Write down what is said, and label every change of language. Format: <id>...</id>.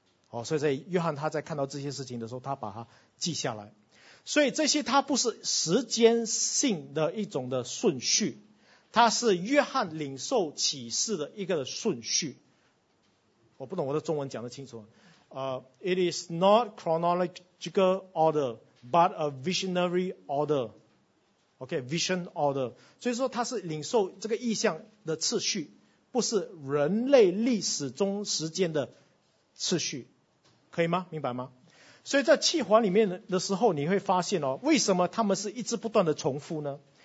<zh>哦，所以在约翰他在看到这些事情的时候，他把它记下来。所以这些它不是时间性的一种的顺序，它是约翰领受启示的一个顺序。我不懂我的中文讲得清楚。</zh> <en>It is not chronological order, but a visionary order. Okay, vision order.</en> <zh>所以说它是领受这个意象的次序，不是人类历史中时间的次序。可以吗？明白吗？所以在启环里面的时候，你会发现哦，为什么他们是一直不断的重复呢？</zh>